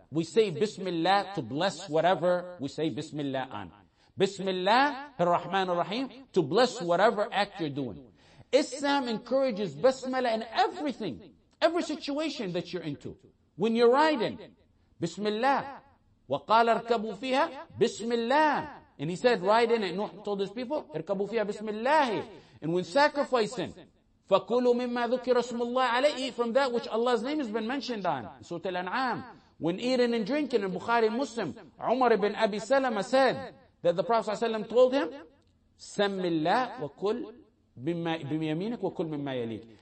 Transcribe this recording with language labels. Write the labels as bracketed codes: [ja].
[en] We say Bismillah to bless whatever we say Bismillah on. Bismillah ar-Rahman ar-Rahim to bless whatever act you're doing. Islam encourages Basmala in everything. Every situation that you're into. When you're riding, Bismillah. [ar] وَقَالَ اَرْكَبُوا فِيهَا Bismillah. [en] And he said, riding, and Nuh told his people, [ar] اَرْكَبُوا فِيهَا بِسْمِ. [en] And when sacrificing, [ar] فَكُلُوا مِمَّا ذُكِرَ رَسُمُ اللَّهِ عَلَيْهِ, [en] from that which Allah's name has been mentioned on. Surah Al-An'am. When eating and drinking, in Bukhari Muslim, Umar ibn Abi Salama said that the Prophet ﷺ told him, [ar] سَمِّ اللَّهِ وَكُلْ بِمَيَمِينِكَ وَكُلْ مِمَّا يَلِيكَ.